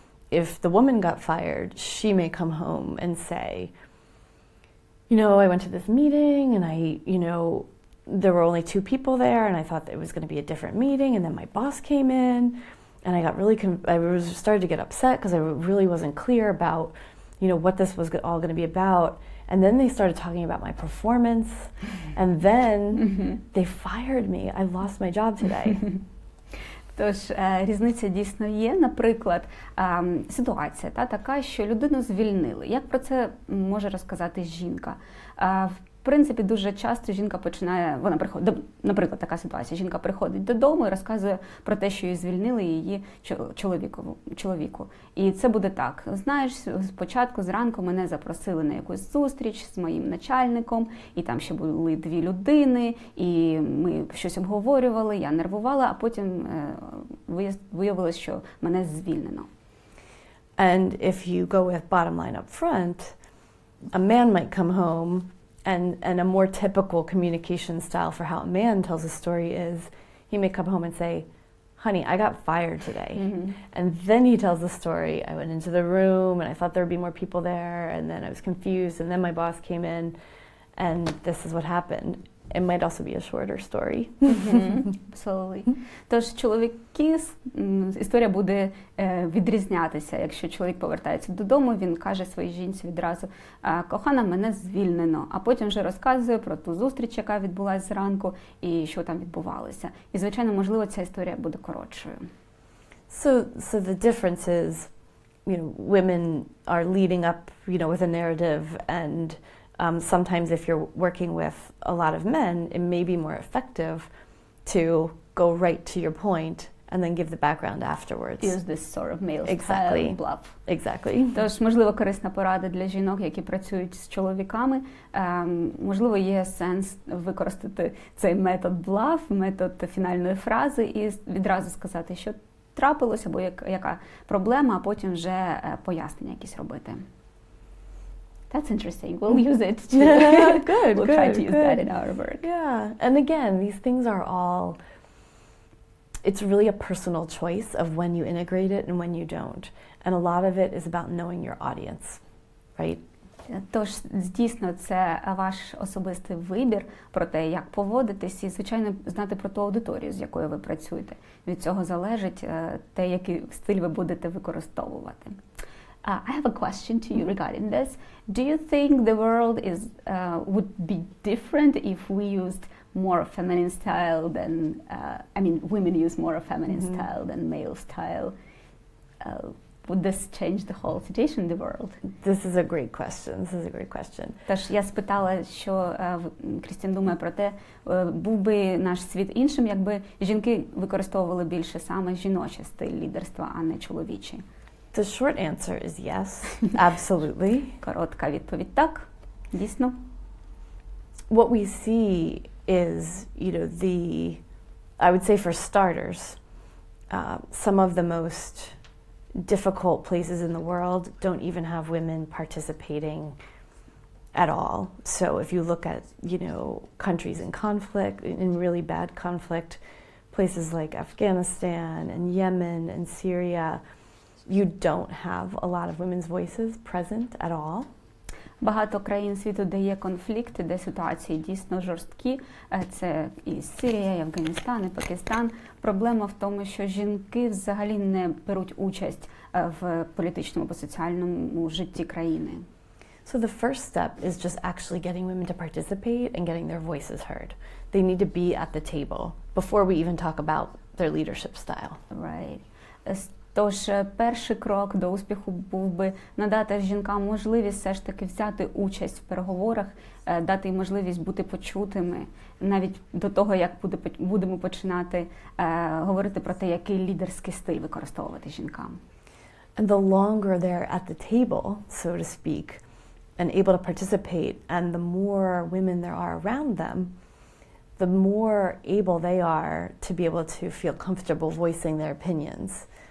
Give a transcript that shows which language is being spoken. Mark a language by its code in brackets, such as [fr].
[en] If the woman got fired, she may come home and say, you know, I went to this meeting, and I, you know, there were only two people there, and I thought that it was going to be a different meeting, and then my boss came in, and I got really, started to get upset because I really wasn't clear about, you know, what this was all going to be about, and then they started talking about my performance, and then they fired me. I lost my job today. [uk] Тож, різниця дійсно є. Наприклад, ситуація така, що людину звільнили. Як про це може розказати жінка? В принципі, дуже часто жінка починає, вона приходить, наприклад, така ситуація, жінка приходить додому і розказує про те, що її звільнили, її чоловіку. І це буде так. Знаєш, спочатку, зранку мене запросили на якусь зустріч з моїм начальником, і там ще були дві людини, і ми щось обговорювали, я нервувала, а потім виявилось, що мене звільнено. [en] And if you go with bottom line up front, a man might come home. And a more typical communication style for how a man tells a story is, he may come home and say, honey, I got fired today. Mm-hmm. And then he tells the story, I went into the room and I thought there would be more people there, and then I was confused, and then my boss came in, and this is what happened. It might also be a shorter story. Mm-hmm. Absolutely. [uk] Тож, чоловіки, історія буде відрізнятися. Якщо чоловік повертається додому, він каже своїй жінці відразу, кохана, мене звільнено. А потім вже розказує про ту зустріч, яка відбулася зранку, і що там відбувалося. І, звичайно, можливо, ця історія буде коротшою. [en] So the difference is, you know, women are leading up, you know, with a narrative, and Sometimes if you're working with a lot of men, it may be more effective to go right to your point and then give the background afterwards. Use this sort of male exactly. style bluff. Exactly. [uk] Тож, можливо, корисна порада для жінок, які працюють з чоловіками. Можливо, є сенс використати цей метод bluff, метод фінальної фрази і відразу сказати, що трапилось або яка проблема, а потім вже пояснення якісь робити. [en] That's interesting. We'll use it. Too. Yeah, good, we'll good. We'll try to use good. That in our work. Yeah. And again, these things are all, it's really a personal choice of when you integrate it and when you don't. And a lot of it is about knowing your audience, right? [uk] Тож, дійсно, це ваш особистий вибір про те, як поводитись, і, звичайно, знати про ту аудиторію, з якою ви працюєте. Від цього залежить те, який стиль ви будете використовувати. [en] I have a question to you regarding this. Do you think the world is would be different if we used more feminine style than, women use more feminine mm-hmm. style than male style? Would this change the whole situation in the world? This is a great question. This is a great question. [uk] Тож я спитала, що Кристин думає про те, був би наш світ іншим, якби жінки використовували більше саме жіночий стиль лідерства, а не чоловічий. [en] The short answer is yes, absolutely. [uk] Коротка відповідь, так, дійсно. [en] What we see is, I would say for starters, some of the most difficult places in the world don't even have women participating at all. So if you look at, countries in conflict, in really bad conflict, places like Afghanistan and Yemen and Syria, you don't have a lot of women's voices present at all. [uk] Багато країн світу, де є конфлікти, де ситуації дійсно жорсткі, це і Сирія, і Афганістан, і Пакистан. Проблема в тому, що жінки взагалі не беруть участь в політичному або соціальному житті країни. [en] So the first step is just actually getting women to participate and getting their voices heard. They need to be at the table before we even talk about their leadership style. Right. [uk] Тож, перший крок до успіху був би надати жінкам можливість все ж таки взяти участь в переговорах, дати їм можливість бути почутими, навіть до того, як будемо починати говорити про те, який лідерський стиль використовувати жінкам. [en] And the longer they're at the table, so to speak, and able to participate, and the more women there are around them, the more able they are to be able to feel comfortable voicing their opinions.